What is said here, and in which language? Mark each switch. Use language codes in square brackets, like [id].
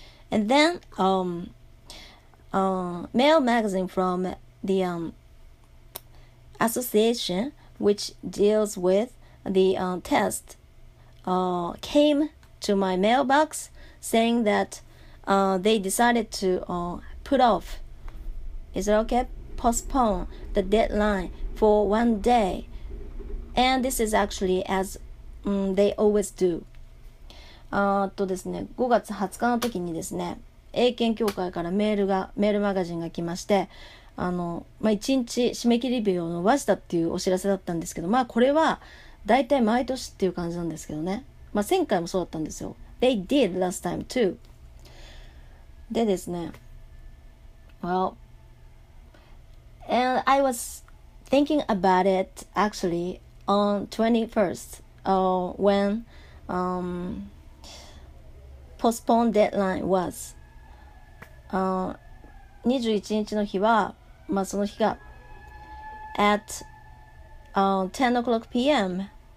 [en] And then, mail magazine from the association which deals with the test came to my mailbox saying that they decided to put off. Is it okay? Postpone the deadline for one day. And this is actually as they always do. [ja] ですね、5月20日の時にですね、英検協会からメールマガジンが来まして、まあ、1日締め切り日を延ばしたっていうお知らせだったんですけど、まあこれは大体毎年っていう感じなんですけどね。まあ前回もそうだったんですよ。 [en] They did last time too. [ja] でですね、 [en] Well, and I was thinking about it actually on 21st. When postponed deadline was [ja] 21日の日は、まあ、その日が [en] at 10 o'clock p.m.